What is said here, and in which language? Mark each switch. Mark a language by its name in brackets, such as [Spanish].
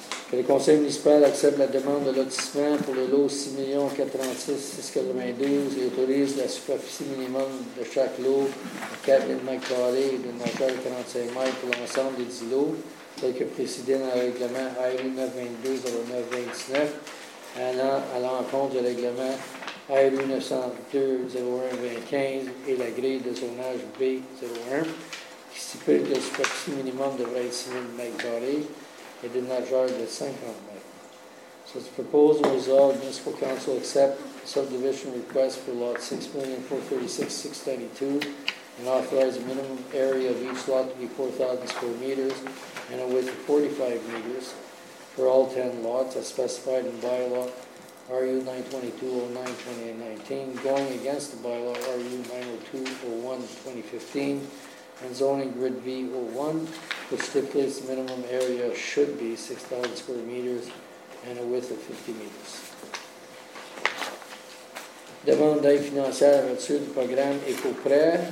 [French] Que le conseil municipal accepte la demande de lotissement pour le lot 6,046,692 et autorise la superficie minimum de chaque lot de 4000 mètres carrés et d'une hauteur de 45 mètres pour l'ensemble des 10 lots, tel que précédé dans le règlement RU 922-09-29, à l'encontre du règlement RU 902-01-25 et la grille de zonage B01, qui stipule que la superficie minimum devrait être 6000 mètres carrés et d'une largeur de 50 mètres. [English] So the proposal resolved, municipal council accept subdivision request for lot 6,436,632 and authorize the minimum area of each lot to be 4,000 square meters and a width of 45 meters for all 10 lots as specified in bylaw RU 922-09-2019, going against the bylaw RU 902-01-2015 and zoning grid V01, which stipulates the minimum area should be 6,000 square meters and a width of 50 meters. [French] Demande d'aide financière à l'ouverture du programme EcoPrêt.